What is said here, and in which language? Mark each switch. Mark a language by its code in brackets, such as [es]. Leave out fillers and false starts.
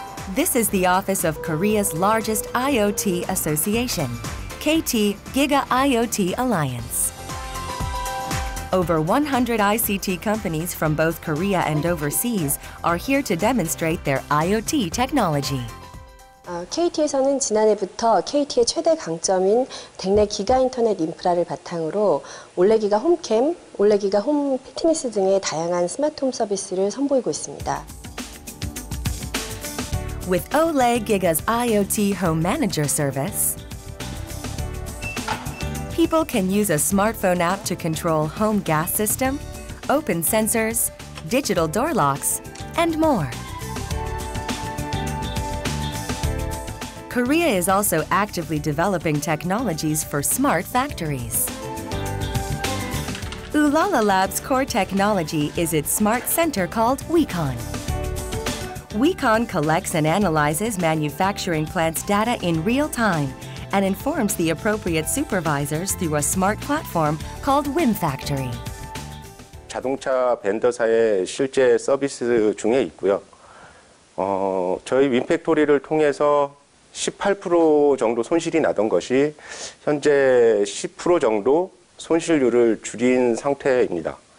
[en] This is the office of Korea's largest IoT association, KT Giga IoT Alliance. Over 100 ICT companies from both Korea and overseas are here to demonstrate their IoT technology. [ko] KT에서는 지난해부터 KT의 최대 강점인 댁내 기가 인터넷 인프라를 바탕으로 올레기가 홈캠, 올레기가 홈 피트니스 등의 다양한 스마트 홈 서비스를 선보이고 있습니다. [en] With Olay Giga's IoT Home Manager service, people can use a smartphone app to control home gas system, open sensors, digital door locks, and more. Korea is also actively developing technologies for smart factories. Ulala Lab's core technology is its smart center called WeCon. WeCon collects and analyzes manufacturing plants' data in real time and informs the appropriate supervisors through a smart platform called WinFactory. [ko] 자동차 벤더사의 실제 서비스 중에 있고요. 저희 WinFactory를 통해서 18% 정도 손실이 나던 것이 현재 10% 정도 손실률을 줄인 상태입니다.